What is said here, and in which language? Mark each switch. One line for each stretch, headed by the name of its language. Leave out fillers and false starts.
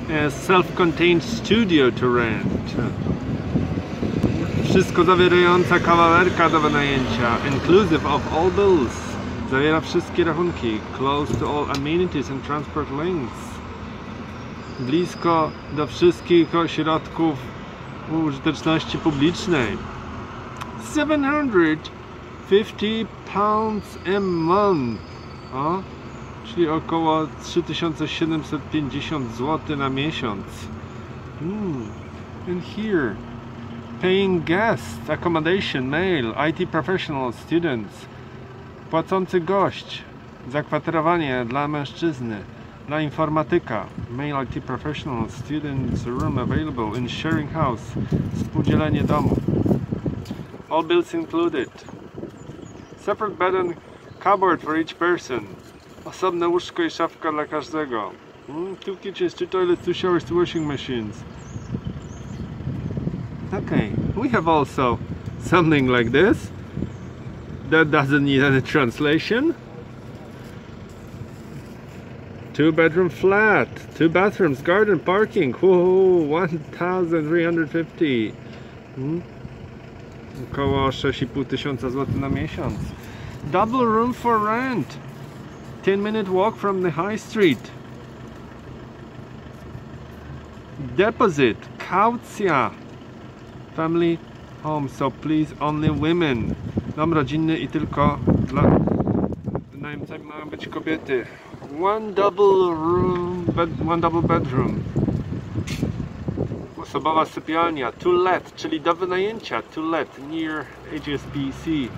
English: self-contained studio to rent.
Polish: Wszystko zawierająca kawalerka do wynajęcia,
English: inclusive of all bills.
Polish: Zawiera wszystkie rachunki,
English: close to all amenities and transport links.
Polish: Blisko do wszystkich ośrodków użyteczności publicznej.
English: 750 pounds a month.
Polish: O, czyli około 3750 zł na miesiąc.
English: And here. Paying guests, accommodation, mail, IT professionals, students.
Polish: Płacący gość, zakwaterowanie dla mężczyzny, dla informatyka,
English: mail IT professional, students room available in sharing house,
Polish: współdzielenie domu.
English: All bills included. Separate bed and cupboard for each person.
Polish: Osobne łóżko i szafka dla każdego.
English: Two kitchens, two toilets, two showers, two washing machines. Okay, we have also something like this. That doesn't need any translation. Two bedroom flat, two bathrooms, garden, parking. Whoa, 1,350.
Polish: Około 6,5 tysiąca złotych na miesiąc.
English: Double room for rent. 10-minute walk from the high street. Deposit, kaucja. Family home, so please only women.
Polish: Dom rodzinny i tylko dla najemcami mają być kobiety.
English: One double bedroom.
Polish: Osobowa sypialnia,
English: to let,
Polish: czyli do wynajęcia,
English: to let, near HSBC.